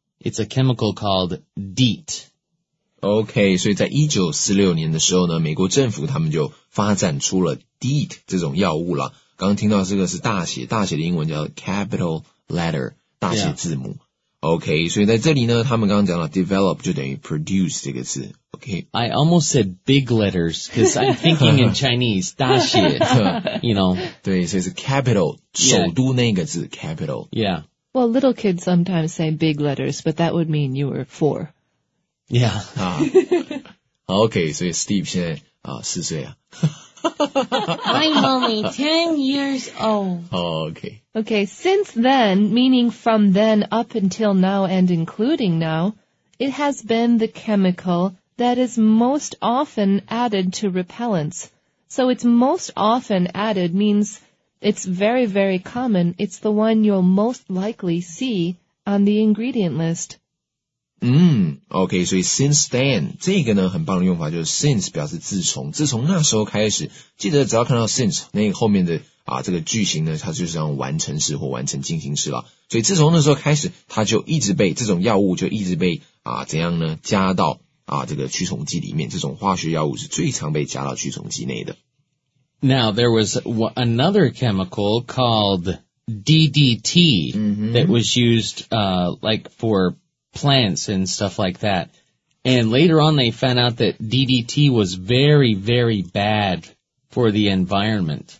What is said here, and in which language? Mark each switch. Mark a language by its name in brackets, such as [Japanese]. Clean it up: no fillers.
[English] It's a chemical called DEET. [Chinese] Okay, 所以在1946年的时候呢，美国政府他们就发展出了 DEET 这种药物了。刚刚听到这个是大写的英文叫 capital letter, 大写字母。 [English] Yeah. [Chinese] OK, 所以在这里呢他们刚刚讲了 develop 就等于 produce 这个字。 OK。 [English] I almost said big letters, because I'm thinking in Chinese, [Chinese] 大写 [English] you know. [Chinese] 对所以是 capital, 首都那个字 capital. [English] Yeah. Well, little kids sometimes say big letters, but that would mean you were four. Yeah. [Chinese] OK, 所以 Steve 现在四岁啊。 [English] I'm only 10 years old. Oh, okay. Okay, since then, meaning from then up until now and including now, it has been the chemical that is most often added to repellents. So it's most often added means it's very, very common. It's the one you'll most likely see on the ingredient list. [Chinese] OK, 所以 [English] since then, [Chinese] 这个呢很棒的用法就是 since 表示自从自从那时候开始记得只要看到 since, 那个后面的啊这个句型呢它就是像完成式或完成进行式啦。所以自从那时候开始它就一直被这种药物就一直被啊怎样呢加到啊这个驱虫剂里面这种化学药物是最常被加到驱虫剂内的。 [English] Now, there was another chemical called DDT、 mm-hmm. that was used, for plants and stuff like that. And later on, they found out that DDT was very, very bad for the environment.